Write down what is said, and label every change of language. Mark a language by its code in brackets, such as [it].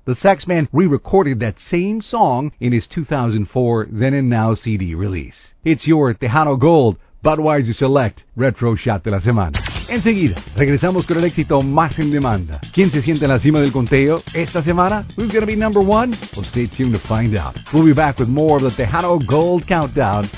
[en] The Sax Man re-recorded that same song in his 2004 Then and Now CD release. It's your Tejano Gold, Budweiser Select, Retro Shot de la Semana. [es] Enseguida, regresamos con el éxito más en demanda. ¿Quién se siente en la cima del conteo esta semana? [en] Who's gonna be number one? Well, stay tuned to find out. We'll be back with more of the Tejano Gold Countdown.